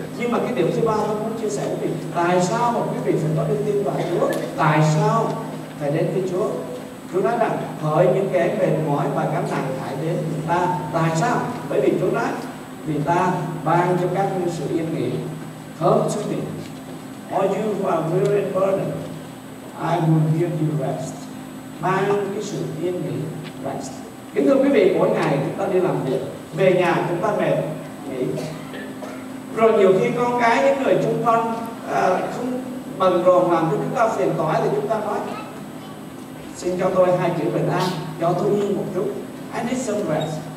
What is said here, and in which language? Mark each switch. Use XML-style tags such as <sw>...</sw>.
<vi>Nhưng mà cái điều thứ ba tôi muốn chia sẻ với quý vị, tại sao mà quý vị phải có đức tin vào Chúa, tại sao phải đến với Chúa? Chúa nói rằng hỡi những kẻ mệt mỏi và gánh nặng hãy đến với ta. Tại sao? Bởi vì Chúa nói vì ta ban cho các ngươi sự yên nghỉ.</vi> <en>Come to me, all you who are weary and burdened, I will give you rest.</en> <vi>Ban cái sự yên nghỉ, rest. Kính thưa quý vị, mỗi ngày chúng ta đi làm việc, về nhà chúng ta mệt, nghỉ. Rồi nhiều khi con cái, những người chung quanh không bận rộn làm cho chúng ta phiền toái thì chúng ta nói xin cho tôi hai chữ bình an, cho tôi yên một chút.</vi> <en>I need some rest.</en>